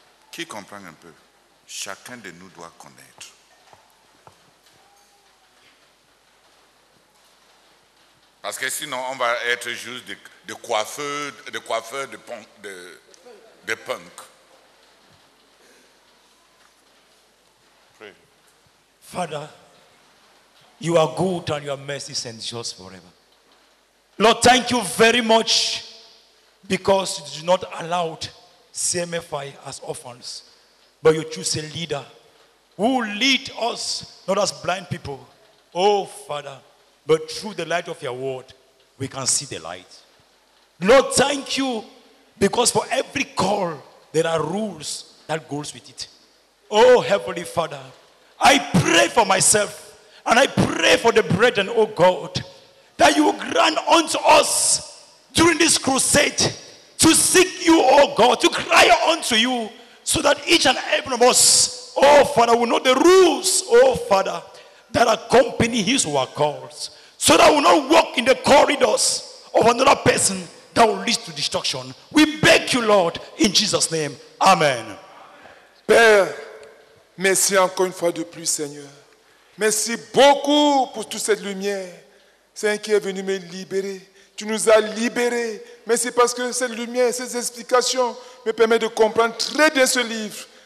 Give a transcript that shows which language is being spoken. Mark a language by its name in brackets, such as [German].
[French] Qui comprend un peu? Chacun de nous doit connaître. Parce que sinon, on va être juste des coiffeurs de punk. [English] Father, you are good and your mercy endures forever. Lord, thank you very much because you did not allow CMFI as orphans, but you choose a leader who lead us, not as blind people. Oh, Father, but through the light of your word, we can see the light. Lord, thank you because for every call, there are rules that goes with it. Oh, Heavenly Father, I pray for myself and I pray for the brethren, oh God, that you grant unto us during this crusade to seek you, oh God, to cry unto you so that each and every one of us, oh Father, will know the rules, oh Father, that accompany his work calls, so that we will not walk in the corridors of another person that will lead to destruction. We beg you, Lord, in Jesus' name. Amen. [French] Père, merci encore une fois de plus, Seigneur. Merci beaucoup pour toute cette lumière, Seigneur, qui est venu me libérer, Tu nous as libérés. Mais c'est parce que cette lumière, ces explications me permettent de comprendre très bien ce livre.